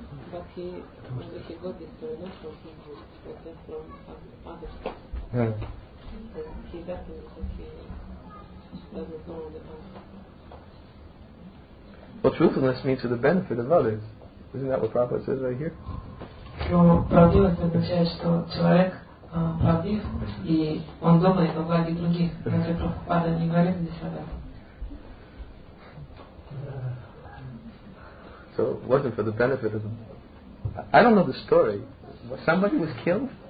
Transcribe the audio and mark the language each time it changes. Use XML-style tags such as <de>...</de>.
<en>But he, if he got this story, not from him, but from others. He got it because he doesn't know the answer. Well, truthfulness means to the benefit of others. Isn't that what Prabhupada says right here?</en> <ru>Но правдивость означает, что человек правдив, и он думает о благе других. Разве Прабхупада не говорит здесь об этом?</ru> <en>So it wasn't for the benefit of them. I don't know the story. Somebody was killed?</en>